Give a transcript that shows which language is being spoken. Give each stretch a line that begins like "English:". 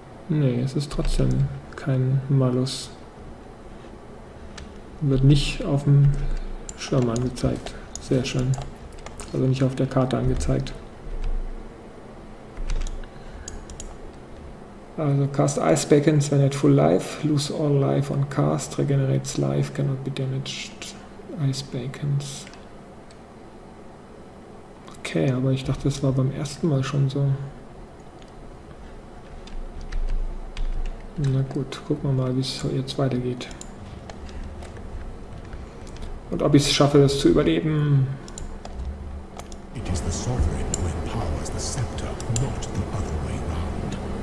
German: Nee, es ist trotzdem kein Malus. Wird nicht auf dem Schirm angezeigt. Sehr schön. Also nicht auf der Karte angezeigt.
English: Also cast ice beacons when at full life, lose all life on cast, regenerates life, cannot be damaged. Ice beacons.
German: Okay, aber ich dachte, das war beim ersten Mal schon so. Na gut, gucken wir mal, wie es jetzt weitergeht. Und ob ich es schaffe, das zu überleben.
English: It is the sovereign who empowers the scepter, not the other way around.